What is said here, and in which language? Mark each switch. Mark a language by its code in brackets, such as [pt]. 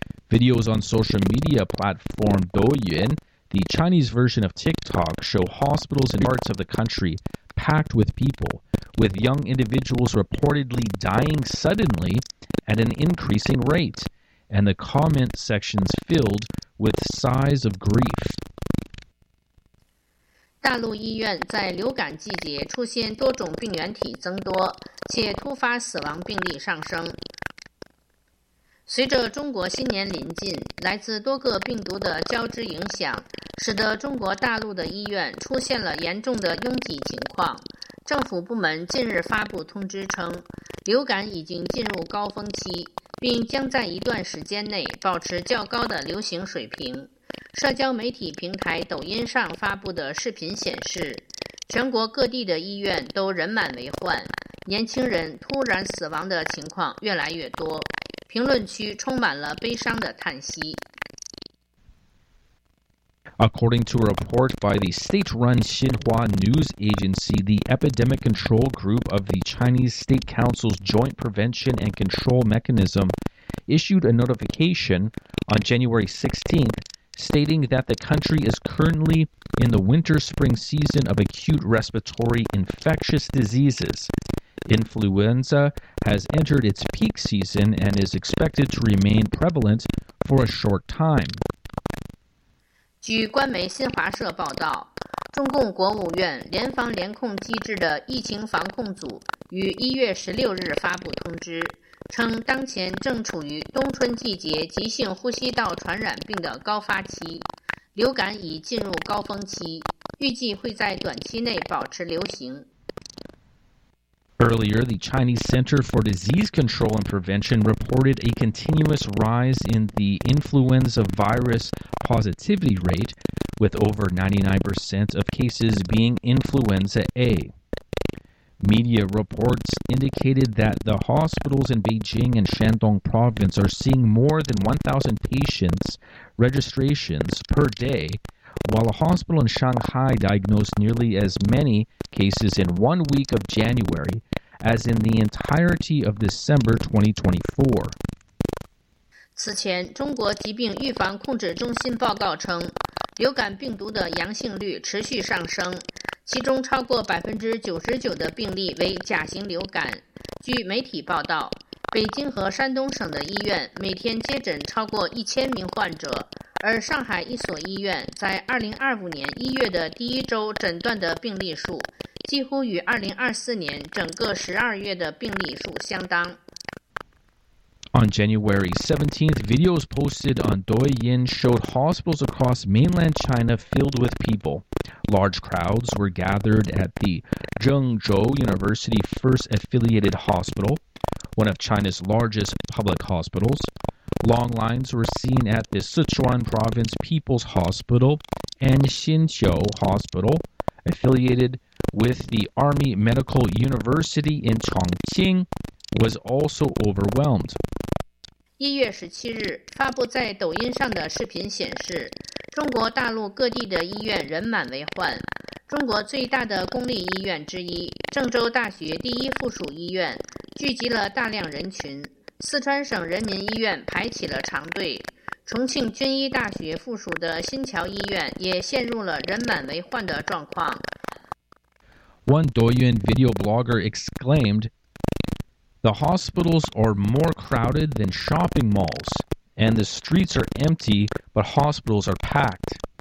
[en] Videos on social media platform Douyin, the Chinese version of TikTok, show hospitals in parts of the country packed with people, with young individuals reportedly dying suddenly at an increasing rate, and the comment sections filled with sighs of grief. [zh] 大陆医院在流感季节出现多种病原体增多，且突发死亡病例上升。随着中国新年临近，来自多个病毒的交织影响，使得中国大陆的医院出现了严重的拥挤情况。政府部门近日发布通知称，流感已经进入高峰期，并将在一段时间内保持较高的流行水平。社交媒体平台抖音上发布的视频显示，全国各地的医院都人满为患，年轻人突然死亡的情况越来越多，评论区充满了悲伤的叹息。 [en] According to a report by the state-run Xinhua News Agency, the Epidemic Control Group of the Chinese State Council's Joint Prevention and Control Mechanism issued a notification on January 16th stating that the country is currently in the winter-spring season of acute respiratory infectious diseases. Influenza has entered its peak season and is expected to remain prevalent for a short time. [zh] 据官媒新华社报道，中共国务院联防联控机制的疫情防控组于1月16日发布通知，称当前正处于冬春季节急性呼吸道传染病的高发期，流感已进入高峰期，预计会在短期内保持流行。 [en] Earlier, the Chinese Center for Disease Control and Prevention reported a continuous rise in the influenza virus positivity rate, with over 99% of cases being influenza A. Media reports indicated that the hospitals in Beijing and Shandong province are seeing more than 1,000 patients registrations per day, while a hospital in Shanghai diagnosed nearly as many cases in 1 week of January as in the entirety of December 2024. [zh] 此前，中国疾病预防控制中心报告称，流感病毒的阳性率持续上升，其中超过 99% 的病例为甲型流感。据媒体报道，北京和山东省的医院每天接诊超过1000名患者，而上海一所医院在2025年1月的第一周诊断的病例数几乎与2024年整个12月的病例数相当。 [en] On January 17th, videos posted on Douyin showed hospitals across mainland China filled with people. Large crowds were gathered at the Zhengzhou University First Affiliated Hospital, one of China's largest public hospitals. Long lines were seen at the Sichuan Province People's Hospital and Xinqiu Hospital, affiliated with the Army Medical University in Chongqing, was also overwhelmed. [zh] 1月17日发布在抖音上的视频显示，中国大陆各地的医院人满为患。中国最大的公立医院之一郑州大学第一附属医院聚集了大量人群，四川省人民医院排起了长队，重庆军医大学附属的新桥医院也陷入了人满为患的状况。 [en] One Douyin video blogger exclaimedThe hospitals are more crowded than shopping malls, and the streets are empty, but hospitals are packed.